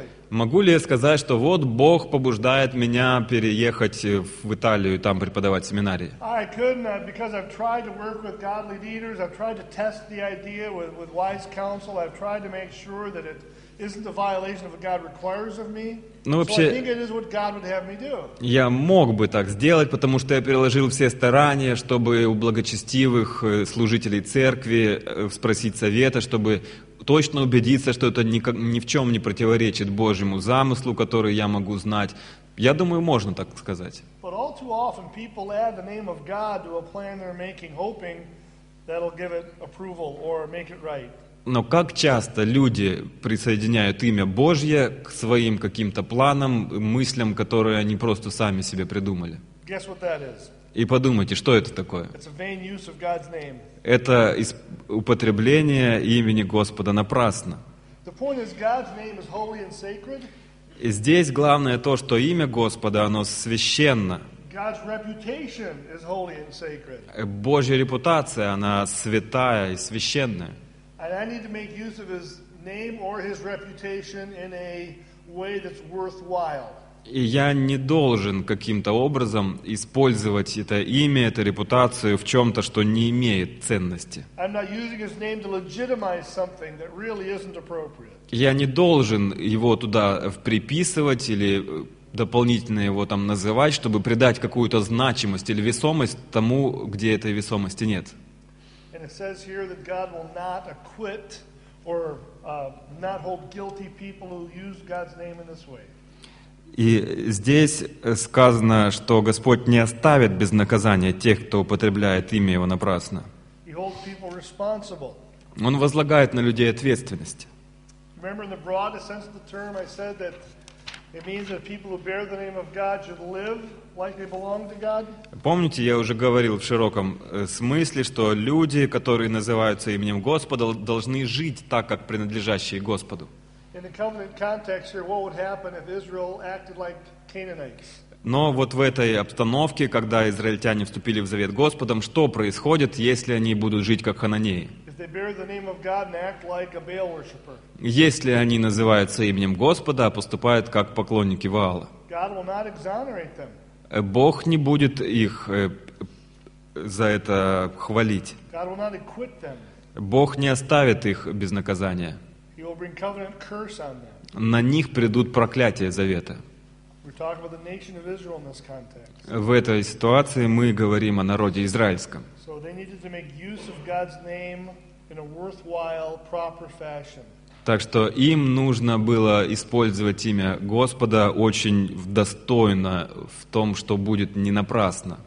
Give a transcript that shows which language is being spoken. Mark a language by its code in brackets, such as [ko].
[ru] Могу ли я сказать, что вот Бог побуждает меня переехать в Италию и там преподавать семинарии? [en] I could not, because I've tried to work with godly leaders, I've tried to test the idea with wise counsel, I've tried to make sure that it isn't a violation of what God requires of me. [ru] Ну, вообще, [en] so I think it is what God would have me do. [ru] Я мог бы так сделать, потому что я приложил все старания, чтобы у благочестивых служителей церкви спросить совета, чтобы точно убедиться, что это ни в чем не противоречит Божьему замыслу, который я могу знать. Я думаю, можно так сказать. [en] But all too often people add the name of God to a plan they're making, hoping that'll give it approval or make it right. [ru] Но как часто люди присоединяют имя Божье к своим каким-то планам, мыслям, которые они просто сами себе придумали? И подумайте, что это такое? [en] It's a vain use of God's name. [ru] Это употребление имени Господа напрасно. [en] The point is, God's name is holy and sacred. [ru] И здесь главное то, что имя Господа, оно священно. [en] God's reputation is holy and sacred. [ru] Божья репутация, она святая и священная. [en] And I need to make use of his name or his reputation in a way that's worthwhile. [ru] И я не должен каким-то образом использовать это имя, эту репутацию в чем-то, что не имеет ценности. [en] I'm not using his name to legitimize something that really isn't appropriate. [ru] Я не должен его туда приписывать или дополнительно его там называть, чтобы придать какую-то значимость или весомость тому, где этой весомости нет. [en] And it says here that God will not acquit or not hold guilty people who use God's name in this way. [ru] И здесь сказано, что Господь не оставит без наказания тех, кто употребляет имя Его напрасно. [en] He holds people responsible. [ru] Он возлагает на людей ответственность. [en] Remember, in the broadest sense of the term, I said that it means that people who bear the name of God should live like they belong to God. [ru] Помните, я уже говорил в широком смысле, что люди, которые называются именем Господа, должны жить так, как принадлежащие Господу. [en] In the covenant context here, what would happen if Israel acted like Canaanites? [ru] Но вот в этой обстановке, когда израильтяне вступили в завет Господом, что происходит, если они будут жить как хананеи? [en] If they bear the name of God and act like a Baal worshipper? [ru] Если они называются именем Господа, а поступают как поклонники Ваала? [en] God will not exonerate them. [ru] Бог не будет их за это хвалить. [en] God will not acquit them. [ru] Бог не оставит их без наказания. [en] He will bring covenant curse on them. [ru] На них придут проклятия завета. [en] We're talking about the nation of Israel in this context. [ru] В этой ситуации мы говорим о народе израильском. [en] So they needed to make use of God's name in a worthwhile, proper fashion. [ru] Так что им нужно было использовать имя Господа очень достойно в том, что будет не напрасно.